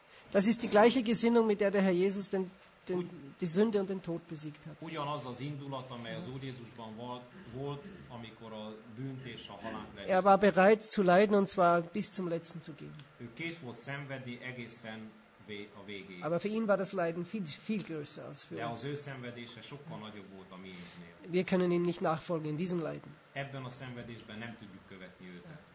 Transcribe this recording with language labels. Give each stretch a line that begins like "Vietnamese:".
German: Das ist die gleiche Gesinnung, mit der Herr Jesus die Sünde und den Tod besiegt hat.
Hungarian: Ugyanaz az indulat, amely az Úr Jézusban volt, amikor a bűnt és a halált legyen.
German: Er war bereit zu leiden, und zwar bis zum Letzten zu gehen.
Hungarian: Ő kész volt szenvedni egészen a végéig.
German: Aber für ihn war das Leiden viel größer als für uns.
Hungarian: De az ő szenvedése sokkal nagyobb volt a miénknél.
German: Wir können ihm nicht nachfolgen in diesem Leiden.
Hungarian: Ebben a szenvedésben nem tudjuk követni őt.